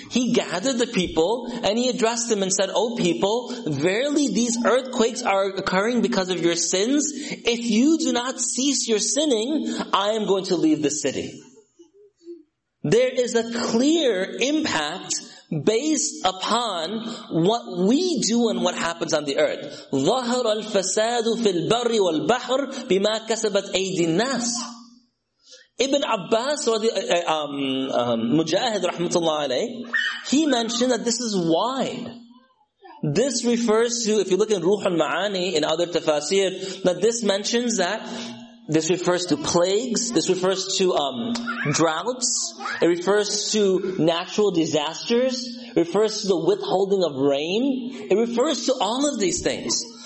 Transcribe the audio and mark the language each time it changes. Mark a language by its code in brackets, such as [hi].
[en] He gathered the people and he addressed them and said, oh people, verily these earthquakes are occurring because of your sins. If you do not cease your sinning, I am going to leave the city. There is a clear impact based upon what we do and what happens on the earth. [ar] ظهر الفساد في البر والبحر بما كسبت أيدي الناس. [en] Ibn Abbas, Mujahid, rahmatullah alayh, he mentioned that this is why. This refers to, if you look in Ruh al-Ma'ani, in other tafasir, that this mentions that this refers to plagues, this refers to droughts, it refers to natural disasters, it refers to the withholding of rain, it refers to all of these things.